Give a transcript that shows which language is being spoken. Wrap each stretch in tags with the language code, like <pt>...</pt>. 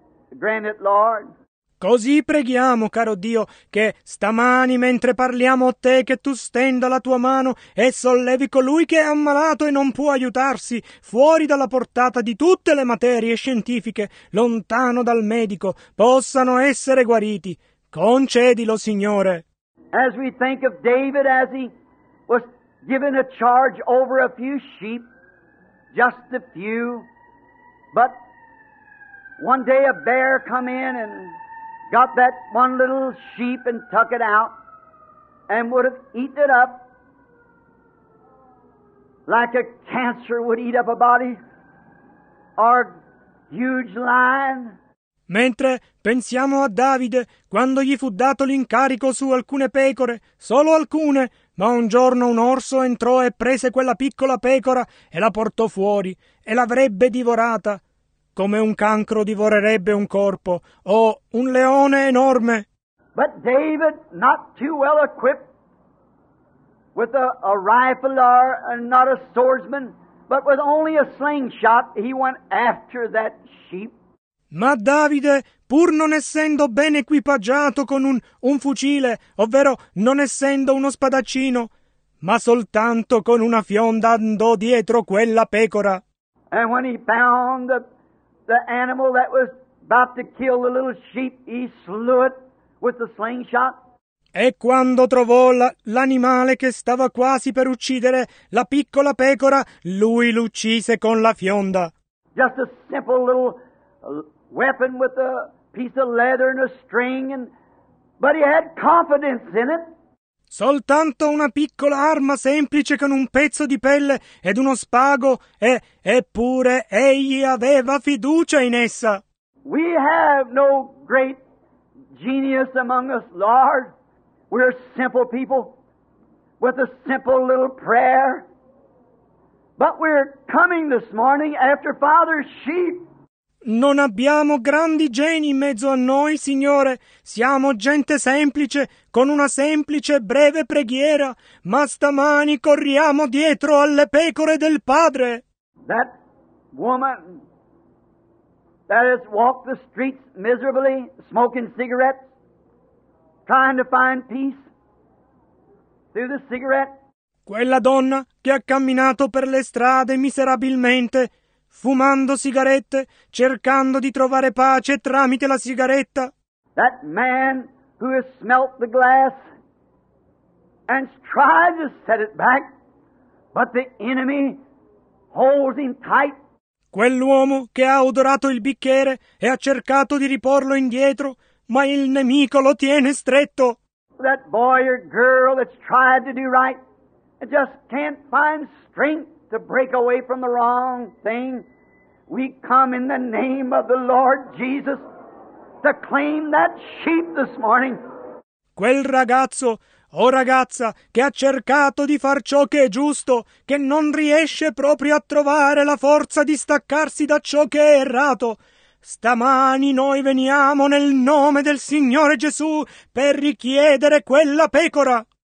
<en>Grant it, Lord.</en> <it>Così preghiamo, caro Dio, che stamani mentre parliamo a te, che tu stenda la tua mano e sollevi colui che è ammalato e non può aiutarsi, fuori dalla portata di tutte le materie scientifiche, lontano dal medico, possano essere guariti. Concedilo, Signore.</it> <en>As we think of David, as he was given a charge over a few sheep, just a few, but one day a bear come in and got that one little sheep and tuck it out and would have eaten it up like a cancer would eat up a body or a huge lion.</en> <it>Mentre pensiamo a Davide, quando gli fu dato l'incarico su alcune pecore, solo alcune, ma un giorno un orso entrò e prese quella piccola pecora e la portò fuori e l'avrebbe divorata. Come un cancro divorerebbe un corpo, o un leone enorme.</it> <en>But David, not too well equipped, with a rifle or not a swordsman, but with only a slingshot, he went after that sheep.</en> <it>Ma Davide, pur non essendo ben equipaggiato con un fucile, ovvero non essendo uno spadaccino, ma soltanto con una fionda andò dietro quella pecora.</it> <en>And when he found the animal that was about to kill the little sheep, he slew it with the slingshot.</en> <it>E quando trovò l'animale che stava quasi per uccidere la piccola pecora, lui l'uccise con la fionda.</it> <en>Just a simple little weapon with a piece of leather and a string, but he had confidence in it.</en> <it>Soltanto una piccola arma semplice con un pezzo di pelle ed uno spago, eppure egli aveva fiducia in essa.</it> <en>We have no great genius among us, Lord. We're simple people with a simple little prayer. But we're coming this morning after Father's sheep.</en> <it>Non abbiamo grandi geni in mezzo a noi, Signore. Siamo gente semplice, con una semplice e breve preghiera. Ma stamani corriamo dietro alle pecore del Padre.</it> <en>That woman that has walked the streets miserably, smoking cigarettes, trying to find peace through the cigarette.</en> <it>Quella donna che ha camminato per le strade miserabilmente, fumando sigarette, cercando di trovare pace tramite la sigaretta.</it> <en>That man who has smelt the glass and tried to set it back, but the enemy holds him tight.</en> <it>Quell'uomo che ha odorato il bicchiere e ha cercato di riporlo indietro, ma il nemico lo tiene stretto.</it> <en>That boy or girl that's tried to do right and just can't find strength to break away from the wrong thing. We come in the name of the Lord Jesus to claim that sheep this morning.</en> <it>Quel ragazzo o ragazza che ha cercato di far ciò che è giusto, che non riesce proprio a trovare la forza di staccarsi da ciò che è errato, stamani noi veniamo nel nome del Signore Gesù per richiedere quella pecora.</it>